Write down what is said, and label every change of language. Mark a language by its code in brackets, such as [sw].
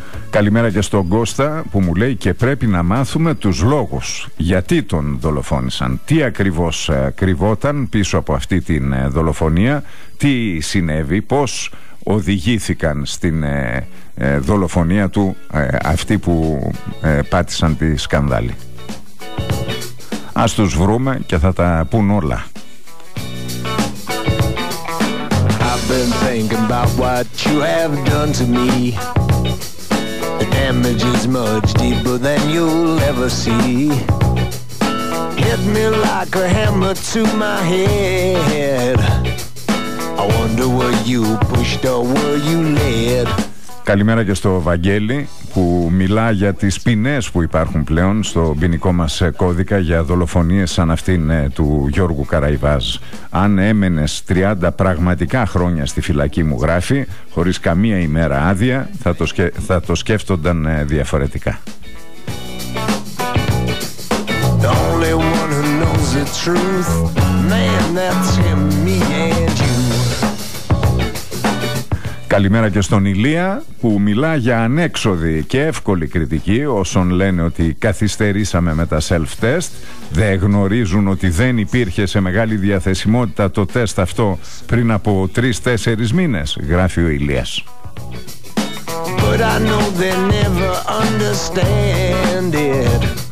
[el] Καλημέρα και στον Κώστα που μου λέει: και πρέπει να μάθουμε τους λόγους γιατί τον δολοφόνησαν, τι ακριβώς κρυβόταν πίσω από αυτή την δολοφονία, τι συνέβη, πώς οδηγήθηκαν στην δολοφονία του αυτοί που πάτησαν τη σκανδάλη. Ας τους βρούμε και θα τα πούν όλα. [en] I've been thinking about what you have done to me. The damage is much deeper than you'll ever see. Hit me like a hammer to my head. I wonder where you pushed or where you led. [el] Καλημέρα και στο Βαγγέλη που μιλά για τις ποινές που υπάρχουν πλέον στο ποινικό μας κώδικα για δολοφονίες σαν αυτήν του Γιώργου Καραϊβάζ. Αν έμενες 30 πραγματικά χρόνια στη φυλακή, μου γράφει, χωρίς καμία ημέρα άδεια, θα το σκέφτονταν διαφορετικά. [en] The only one who knows the truth. Man, that's him, me and you. [el] Καλημέρα και στον Ηλία που μιλά για ανέξοδη και εύκολη κριτική όσων λένε ότι καθυστερήσαμε με τα self-test. Δεν γνωρίζουν ότι δεν υπήρχε σε μεγάλη διαθεσιμότητα το τεστ αυτό πριν από 3-4 μήνες, γράφει ο Ηλίας. [en] But I know they never understand it.